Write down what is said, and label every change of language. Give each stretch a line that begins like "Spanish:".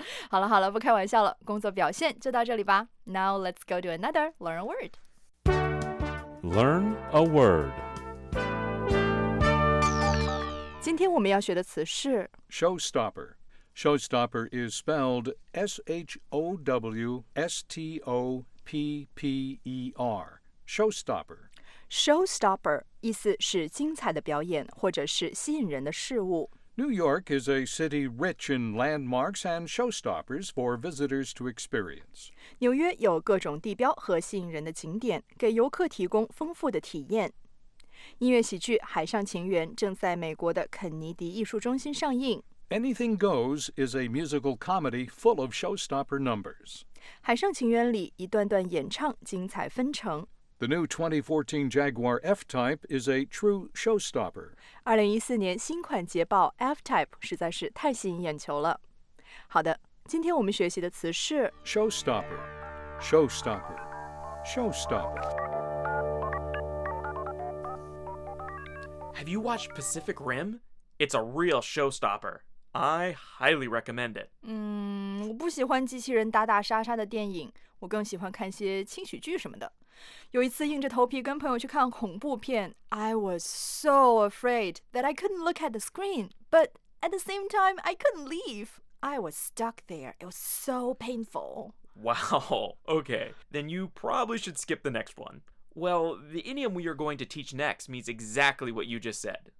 Chinese: 好了好了,不开玩笑了,工作表现就到这里吧。
English: Now let's go to another, learn a word. Learn a word.
Chinese: 今天我们要学的词是
English: Showstopper. Showstopper is spelled S-H-O-W-S-T-O-P-P-E-R. Showstopper.
Chinese: Showstopper 意思是精彩的表演或者是吸引人的事物。
English: New York is a city rich in landmarks and showstoppers for visitors to experience.
Chinese: 纽约有各种地标和吸引人的景点，给游客提供丰富的体验。音乐喜剧《海上情缘》正在美国的肯尼迪艺术中心上映。
English: Anything Goes is a musical comedy full of showstopper numbers.
Chinese: 海上情缘里一段段演唱精彩纷呈。
English: The new 2014 Jaguar F-Type is a true showstopper.
Chinese: 2014年新款捷豹 F-Type 实在是太吸引眼球了。好的，今天我们学习的词是
English: Showstopper, Showstopper, Showstopper. Have you watched Pacific Rim? It's a real showstopper. I highly recommend it.
Chinese: 我不喜欢机器人打打杀杀的电影，我更喜欢看些轻喜剧什么的。有一次硬着头皮跟朋友去看恐怖片，
English: I was so afraid that I couldn't look at the screen, but at the same time, I couldn't leave. I was stuck there. It was so painful. Wow. Okay. Then you probably should skip the next one. Well, the idiom we are going to teach next means exactly what you just said.